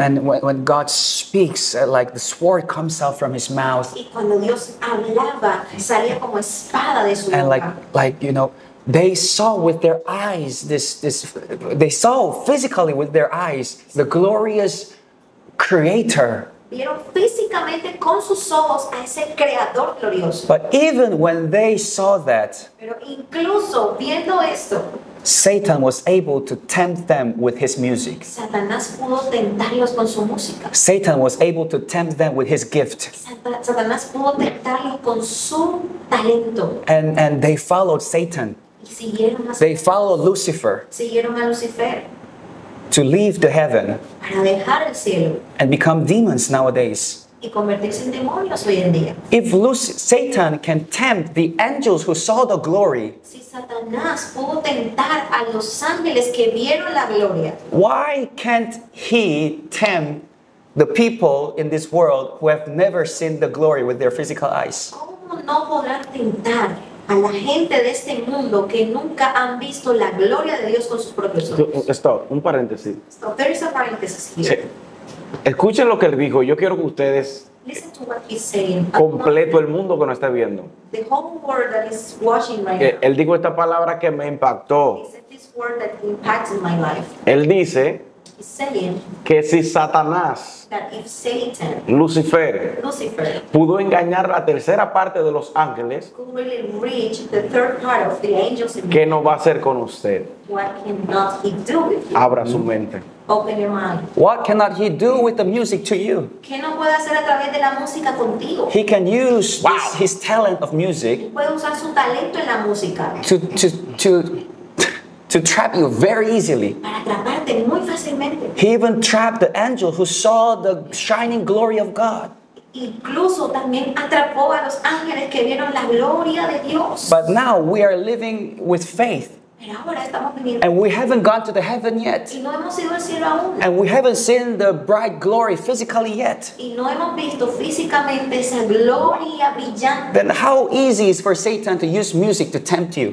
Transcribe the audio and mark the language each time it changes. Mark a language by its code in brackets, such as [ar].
[en] And when God speaks, like the sword comes out from his mouth. [es] Y cuando Dios hablaba, salía como espada de su boca. [en] And like you know, they saw with their eyes this they saw physically with their eyes the glorious creator. [es] Vieron físicamente con sus ojos a ese creador glorioso. [en] But even when they saw that, [es] pero incluso viendo esto, [en] Satan was able to tempt them with his music. [es] Satanás pudo tentarlos con su música. [en] Satan was able to tempt them with his gift. [es] Satanás pudo tentarlos con su talento. [en] And they followed Satan. [es] Y siguieron a [en] they followed Lucifer. [es] Siguieron a Lucifer. [en] To leave the heaven [es] para dejar el cielo [en] and become demons nowadays. [es] y convertirse en demonios hoy en día. [en] If Satan can tempt the angels who saw the glory, [es] si Satanás pudo tentar a los ángeles que vieron la gloria, [en] why can't he tempt the people in this world who have never seen the glory with their physical eyes? [es] ¿Cómo no podrá tentar a la gente de este mundo que nunca han visto la gloria de Dios con sus propios ojos? [en] Stop, [es] un paréntesis. [en] Stop, there is a parenthesis here. [es] Sí. Escuchen lo que él dijo. Yo quiero que ustedes completo el mundo que nos está viendo. [en] The whole world that is watching right now. [es] Él dijo esta palabra que me impactó. [en] This word that impacted my life. [es] Él dice [en] saying, [es] que si Satanás, [en] that if Satan, [es] Lucifer pudo engañar la tercera parte de los ángeles, [en] could really reach the third part of the angels in [es] ¿qué no va a hacer con usted? [en] What cannot he do with you? [es] Abra su mente. [en] Open your mind. What cannot he do with the music to you? [es] ¿Qué no puede hacer a través de la música contigo? [en] He can use his talent of music. [es] Puede usar su talento en la música. [en] To trap you very easily. [es] Para atraparte muy fácilmente. [en] He even trapped the angel who saw the shining glory of God. [es] Incluso también atrapó a los ángeles que vieron la gloria de Dios. [en] But now we are living with faith. [es] Pero ahora estamos viviendo. [en] And we haven't gone to the heaven yet. [es] Y no hemos ido al cielo aún. [en] And we haven't seen the bright glory physically yet. [es] Y no hemos visto físicamente esa gloria brillante. [en] Then how easy is for Satan to use music to tempt you?